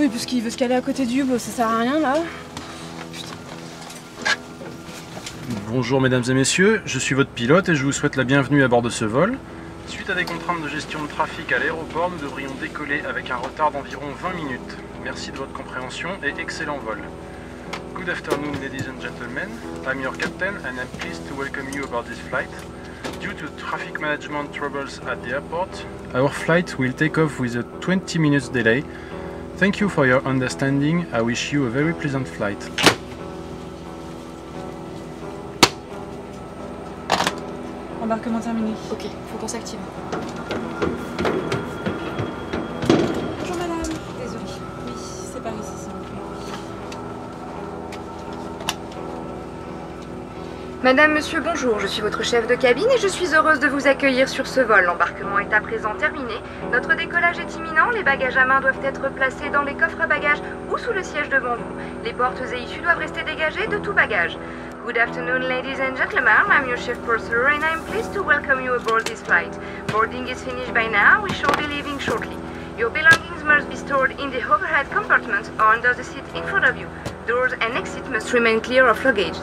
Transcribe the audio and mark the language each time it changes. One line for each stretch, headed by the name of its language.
French: Oui, parce qu'il veut se caler à côté du hublot, ça sert à rien, là. Bonjour, mesdames et messieurs, je suis votre pilote et je vous souhaite la bienvenue à bord de ce vol. Suite à des contraintes de gestion de trafic à l'aéroport, nous devrions décoller avec un retard d'environ 20 minutes. Merci de votre compréhension et excellent vol.
English: Good afternoon, ladies and gentlemen. I'm your captain and I'm pleased to welcome you aboard this flight. Due to traffic management troubles at the airport, our flight will take off with a 20 minutes delay. Thank you for your understanding. I wish you a very pleasant flight.
French: Embarquement terminé. Ok, faut qu'on s'active. Bonjour madame. Désolée. Oui, c'est par ici, s'il vous plaît. Madame, monsieur, bonjour. Je suis votre chef de cabine et je suis heureuse de vous accueillir sur ce vol. L'embarquement est à présent terminé. Notre décollage est imminent. Les bagages à main doivent être placés dans les coffres à bagages ou sous le siège devant vous. Les portes et issues doivent rester dégagées de tout bagage.
English: Good afternoon, ladies and gentlemen. I'm your chief purser and I'm pleased to welcome you aboard this flight. Boarding is finished by now. We shall be leaving shortly. Your belongings must be stored in the overhead compartment or under the seat in front of you. Doors and exit must remain clear of luggage.